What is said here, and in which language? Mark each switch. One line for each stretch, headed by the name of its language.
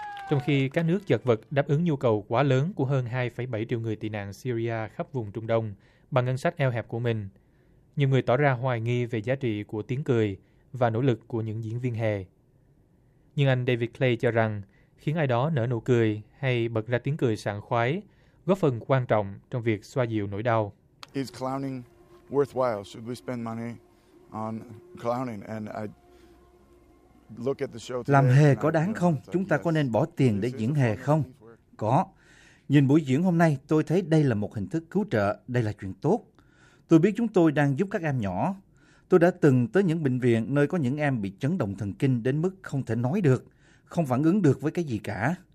Vietnamese: Trong khi các nước chật vật đáp ứng nhu cầu quá lớn của hơn 2,7 triệu người tị nạn Syria khắp vùng Trung Đông bằng ngân sách eo hẹp của mình, nhiều người tỏ ra hoài nghi về giá trị của tiếng cười và nỗ lực của những diễn viên hề. Nhưng anh David Clay cho rằng, khiến ai đó nở nụ cười hay bật ra tiếng cười sảng khoái góp phần quan trọng trong việc xoa dịu nỗi đau.
English: Is clowning worthwhile? Should we spend money on clowning? And I look at the show today.
Vietnamese: Làm hề có đáng không? Chúng ta có nên bỏ tiền để diễn hề không? Có. Nhìn buổi diễn hôm nay, tôi thấy đây là một hình thức cứu trợ, đây là chuyện tốt. Tôi biết chúng tôi đang giúp các em nhỏ. Tôi đã từng tới những bệnh viện nơi có những em bị chấn động thần kinh đến mức không thể nói được, không phản ứng được với cái gì cả.